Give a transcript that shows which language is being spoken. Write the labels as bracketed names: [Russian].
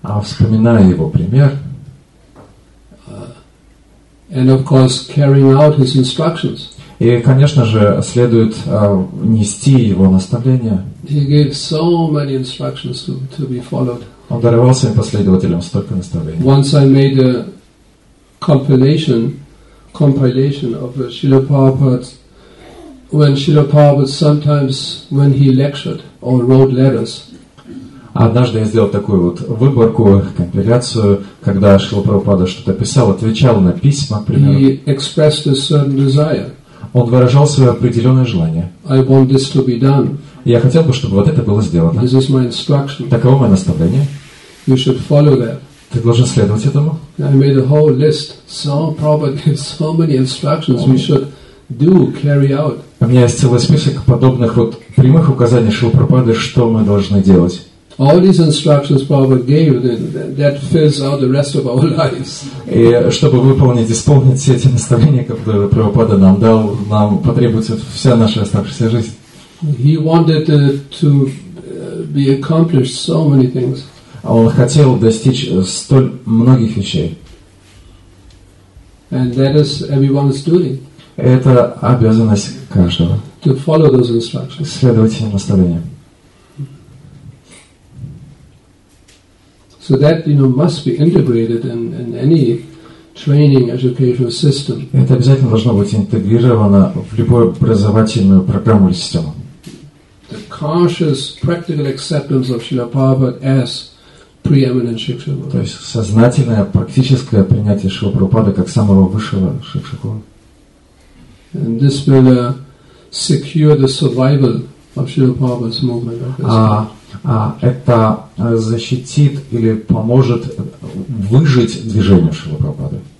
[Russian] Вспоминая его пример. [English] And of course, carrying out his instructions. [Russian] И, конечно же, следует нести его наставления. [English] He gave so many instructions to be followed. [Russian] Он даровал своим последователям столько наставлений. [English] Once I made a compilation of Srila Prabhupada, when Srila Prabhupada sometimes when he lectured or wrote letters. [Russian] Однажды я сделал такую вот выборку, компиляцию, когда Шрила Прабхупада что-то писал, отвечал на письма, например. [English] He expressed a certain desire. [Russian] Он выражал свое определенное желание. [English] I want this to be done. [Russian] Я хотел бы, чтобы вот это было сделано. [English] This is my instruction. [Russian] Таково мое наставление. [English] You should follow that. [Russian] Ты должен следовать этому. [English] I made a whole list. So probably so many instructions we should do, carry out. [Russian] У меня есть целый список подобных вот прямых указаний Шрила Прабхупады, что мы должны делать. [English] All these instructions Prabhupada gave, that fills out the rest of our lives. [Russian] И чтобы исполнить все эти наставления, которые Прабхупада нам дал, нам потребуется вся наша оставшаяся жизнь. [English] He wanted to be accomplished so many things. [Russian] Он хотел достичь столь многих вещей. [English] And that is everyone's duty. [Russian] Это обязанность каждого. [English] To follow those instructions. [Russian] Следовать этим наставлениям. [English] So that, you know, must be integrated in any training educational system. [Russian] Это обязательно должно быть интегрировано в любую образовательную программу или систему. [English] The conscious practical acceptance of Srila Prabhupada as preeminent Шикшаку. [Russian] То есть сознательное практическое принятие Шрила Прабхупады как самого высшего Шикшаку. [English] And this will secure the survival of Srila Prabhupada's movement. [Russian] Это защитит или поможет выжить движению Шрила Прабхупады.